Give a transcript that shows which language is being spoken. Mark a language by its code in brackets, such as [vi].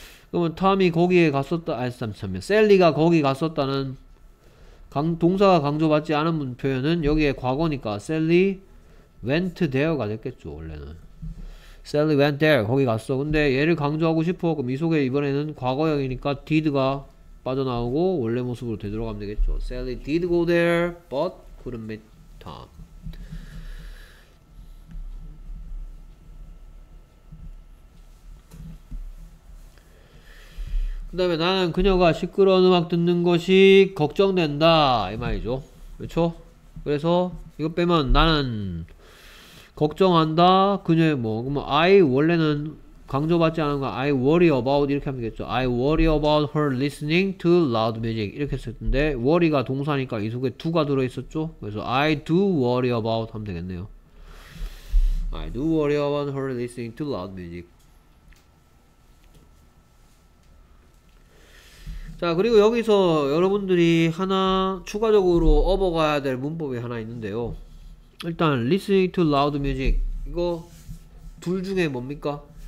[ko] 그러면 탐이 거기에 갔었다 아니 잠시만요 셀리가 거기 갔었다는 동사가 강조받지 않은 표현은 여기에 과거니까 셀리 [en] went there [ko] 가 됐겠죠. [en] 원래는 Sally went there. [ko] 거기 갔어. 근데 얘를 강조하고 싶어. 그럼 이 속에 이번에는 과거형이니까 did가 빠져나오고 원래 모습으로 되돌아가면 되겠죠. [en] Sally did go there, but couldn't meet Tom. [ko] 그 다음에 나는 그녀가 시끄러운 음악 듣는 것이 걱정된다. 이 말이죠. 그렇죠? 그래서 이거 빼면 나는 걱정한다 그녀의 뭐 그러면 I 원래는 강조받지 않은 건 [en] I worry about [ko] 이렇게 하면 되겠죠. [en] I worry about her listening to loud music [ko] 이렇게 했었는데 worry가 동사니까 이 속에 do가 들어있었죠. 그래서 [en] I do worry about [ko] 하면 되겠네요. [en] I do worry about her listening to loud music. [ko] 자, 그리고 여기서 여러분들이 하나 추가적으로 업어가야 될 문법이 하나 있는데요. 일단 [en] listening to loud music [ko] 이거 둘 중에 뭡니까?